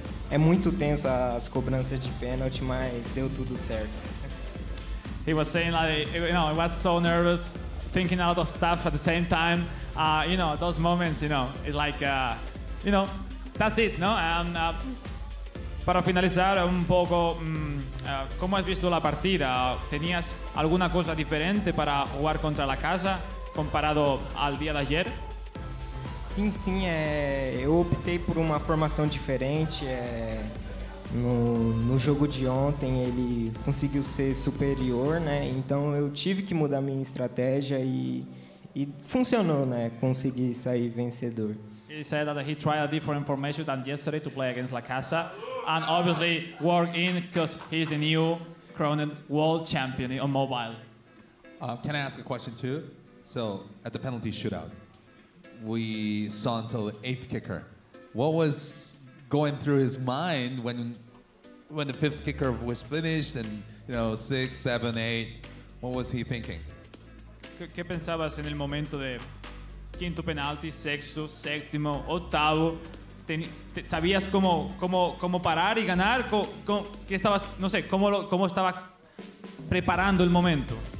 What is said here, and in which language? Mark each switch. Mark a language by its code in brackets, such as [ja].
[pt] É muito tenso as cobranças de pênalti, mas deu tudo certo. [en] He was saying like, you know, he was so nervous, thinking out of stuff at the same time. You know, those moments, you know, it's like, you know, that's it, no? [es] And para finalizar un poco, ¿cómo has visto la partida? ¿Tenías alguna cosa diferente para jugar contra la casa comparado al día de ayer? [pt] Sim, eu optei por uma formação diferente. No jogo de ontem ele conseguiu ser superior, né? Então eu tive que mudar minha estratégia e funcionou, né? Consegui sair vencedor. [en] He said that he tried a different formation than yesterday to play against La Casa, and obviously worked in because he's the new crowned world champion on mobile. Can I ask a question too? So at the penalty shootout, we saw until the eighth kicker. What was going through his mind when the fifth kicker was finished and, you know, six, seven, eight, what was he thinking? [es] ¿Qué pensabas en el momento de quinto penalti, sexto, séptimo, octavo? ¿Sabías cómo parar y ganar? ¿Qué estabas, no sé, cómo estaba preparando el momento?